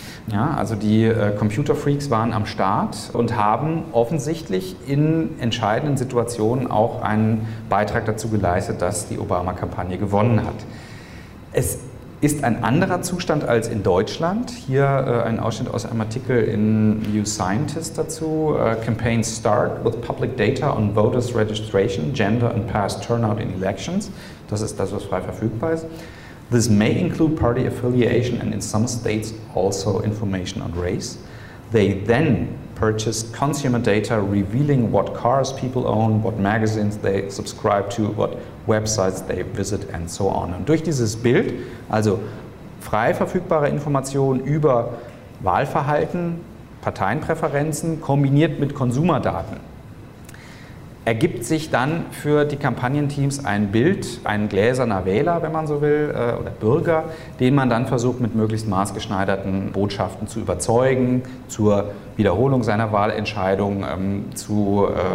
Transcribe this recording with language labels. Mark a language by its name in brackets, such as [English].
[German] Ja, also die Computerfreaks waren am Start und haben offensichtlich in entscheidenden Situationen auch einen Beitrag dazu geleistet, dass die Obama-Kampagne gewonnen hat. Es ist ein anderer Zustand als in Deutschland. Hier ein Ausschnitt aus einem Artikel in New Scientist dazu. [English] Campaigns start with public data on voters registration, gender and past turnout in elections. [German] Das ist das, was frei verfügbar ist. [English] This may include party affiliation and in some states also information on race. They then purchase consumer data revealing what cars people own, what magazines they subscribe to, what websites they visit and so on. [German] Und durch dieses Bild, also frei verfügbare Informationen über Wahlverhalten, Parteienpräferenzen kombiniert mit Konsumerdaten, ergibt sich dann für die Kampagnenteams ein Bild, ein gläserner Wähler, wenn man so will, oder Bürger, den man dann versucht, mit möglichst maßgeschneiderten Botschaften zu überzeugen, zur Wiederholung seiner Wahlentscheidung zu